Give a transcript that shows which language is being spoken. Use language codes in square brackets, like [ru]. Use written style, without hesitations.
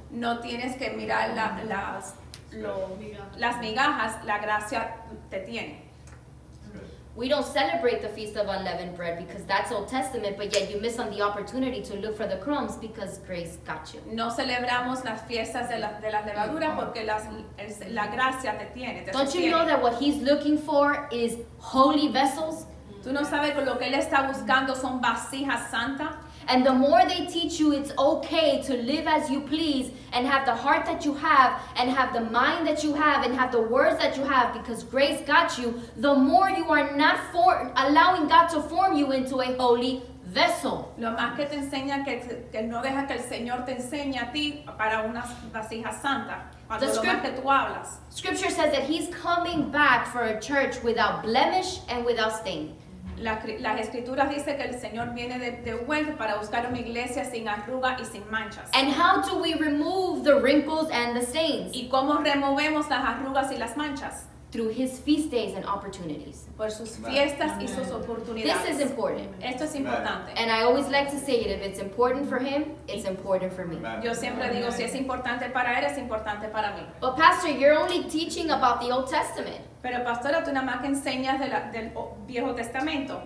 [es] No tienes que mirar las migajas, la gracia te tiene. [en] We don't celebrate the Feast of Unleavened Bread because that's Old Testament, but yet you miss on the opportunity to look for the crumbs because grace got you. [es] No celebramos las fiestas de las levaduras porque la gracia te tiene. [en] Don't you know that what he's looking for is holy vessels? [es] Tú no sabes que lo que él está buscando son vasijas santas. [en] And the more they teach you it's okay to live as you please and have the heart that you have and have the mind that you have and have the words that you have because grace got you, the more you are not for allowing God to form you into a holy vessel. [es] Lo más que te enseña que no deja que el Señor te enseñe a ti para una vasija santa. [en] The scripture says that he's coming back for a church without blemish and without stain. [es] Las escrituras dice que el Señor viene de vuelta para buscar una iglesia sin arruga y sin manchas. [en] And how do we remove the wrinkles and the stains? [es] ¿Y cómo removemos las arrugas y las manchas? [en] Through his feast days and opportunities. [es] Por sus fiestas y sus oportunidades. [en] This is important. [es] Esto es importante. [en] And I always like to say it, if it's important for him, it's important for me. [es] Yo siempre digo, si es importante para él, es importante para mí. [en] But Pastor, you're only teaching about the Old Testament. [es] Pero pastora, tú nada más que enseñas del Viejo Testamento.